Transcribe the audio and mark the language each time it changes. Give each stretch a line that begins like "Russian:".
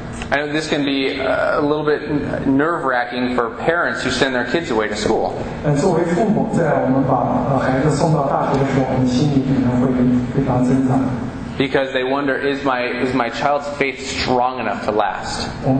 English: and this can be a little bit nerve-wracking for parents who send their kids away to school.
Chinese: 作为父母在我们把孩子送到大学的时候我们心里可能会非常挣扎。
English: Because they wonder, is my child's faith strong enough to last?